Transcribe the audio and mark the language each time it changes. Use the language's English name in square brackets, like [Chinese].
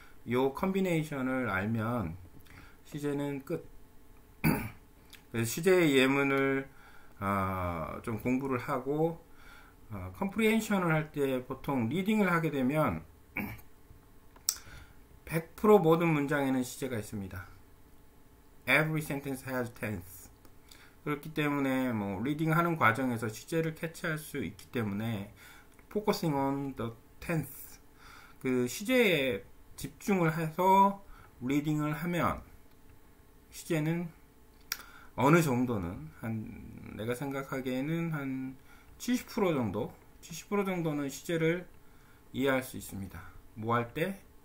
[Korean] 요 컨비네이션을 알면 시제는 끝. 그래서 시제의 예문을 좀 공부를 하고 컴프리헨션을 할 때 보통 리딩을 하게 되면 100% 모든 문장에는 시제가 있습니다. [English] Every sentence has tense. [Korean] 그렇기 때문에 뭐 리딩 하는 과정에서 시제를 캐치할 수 있기 때문에 [English] focusing on the tense [Korean] 그 시제에 집중을 해서 리딩을 하면 시제는 어느 정도는 한 내가 생각하기에는 한 70% 정도 70% 정도는 시제를 이해할 수 있습니다. 뭐 할 때?